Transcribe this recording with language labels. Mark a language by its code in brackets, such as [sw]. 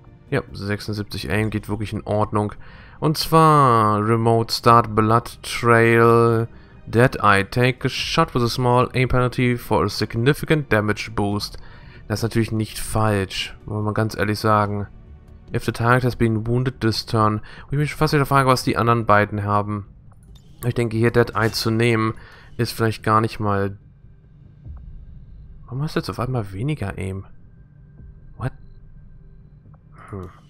[de] Ja, 76 AIM geht wirklich in Ordnung. Und zwar, Remote Start Blood Trail Dead Eye. [en] Take a shot with a small aim penalty for a significant damage boost. [de] Das ist natürlich nicht falsch, muss man ganz ehrlich sagen. [en] If the target has been wounded this turn. [de] Und ich mich fast wieder frage, was die anderen beiden haben. Ich denke, hier Dead Eye zu nehmen, ist vielleicht gar nicht mal... Warum hast du jetzt auf einmal weniger Aim? [en] What? [de] Hm.